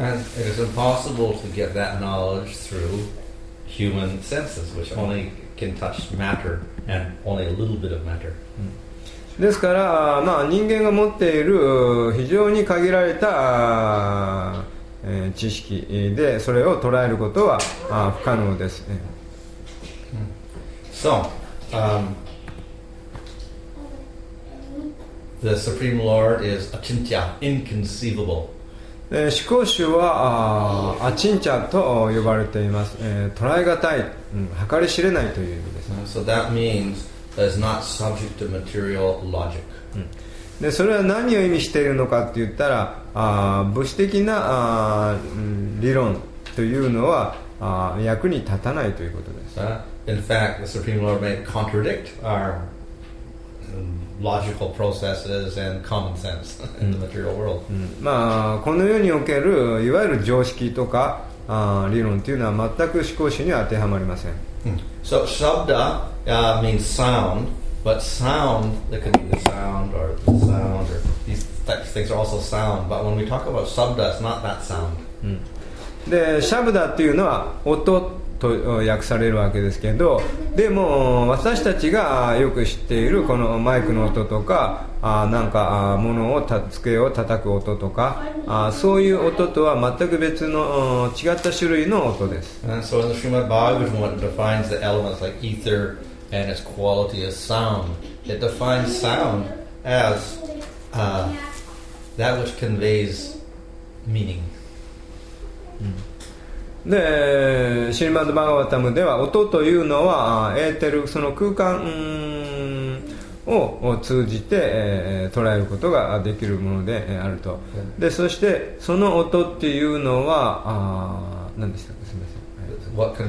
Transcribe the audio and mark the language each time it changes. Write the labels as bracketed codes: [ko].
[en] And it is impossible to get that knowledge through human senses, which only can touch matter and only a little bit of matter. [ja] ですから、まあ、人間が持っている非常に限られた知識でそれを捉えることは不可能です。 [en] So, the Supreme Lord is achintya, inconceivable. [ja] 思考主はアチンチャと呼ばれています。捉えがたい、計り知れないという意味です。 [en] So that means that it's not subject to material logic. [ja] で、それは何を意味しているのかって言ったら、物質的な理論というのは役に立たないということです。 [en] In fact, the Supreme Lord may contradict our logical processes and common sense in the material world. [ja] まあこの世におけるいわゆる常識とか理論というのは全く思考主には当てはまりません。 [en] So shabda means sound, but sound there could be the sound or these types of things are also sound. But when we talk about shabda, it's not that sound. [ja] で、シャブダっていうのは音と訳されるわけですけど、でも私たちがよく知っているこのマイクの音とか、なんか物を机を叩く音とか、そういう音とは全く別の違った種類の音です。 [en] So in the Srimad Bhagavatam defines the elements like ether and its quality as sound. It defines sound as that which conveys meaning. [ja] でシリマド・バガワタムでは音というのはエーテルその空間を通じて捉えることができるものであると。でそしてその音っていうのは何でしたか、すみません、